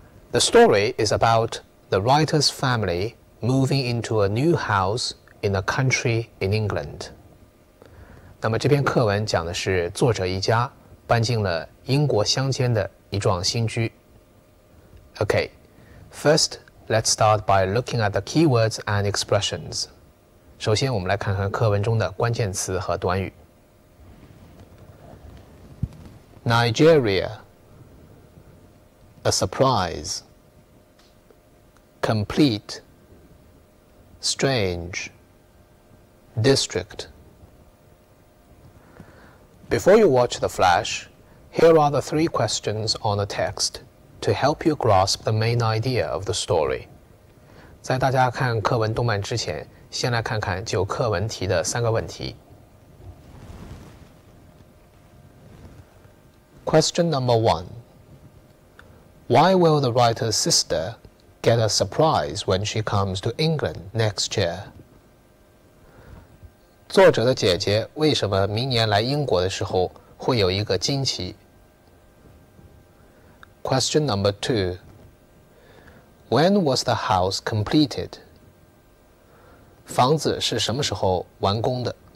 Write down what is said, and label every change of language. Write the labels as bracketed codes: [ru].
[en] The story is about the writer's family moving into a new house in a country in England. [zh] 那么这篇课文讲的是作者一家搬进了英国乡间的一幢新居。 [en] Okay, first, let's start by looking at the keywords and expressions. [zh] 首先我们来看看课文中的关键词和短语。 [en] Nigeria, a surprise, complete, strange, district. Before you watch the flash,Here are the three questions on the text to help you grasp the main idea of the story. [zh] 在大家看课文动漫之前，先来看看就课文提的三个问题。 [en] Question number one. Why will the writer's sister get a surprise when she comes to England next year? [zh] 作者的姐姐为什么明年来英国的时候会有一个惊奇？ [en] Question number two. When was the house completed? [zh] 房子是什么时候完工的?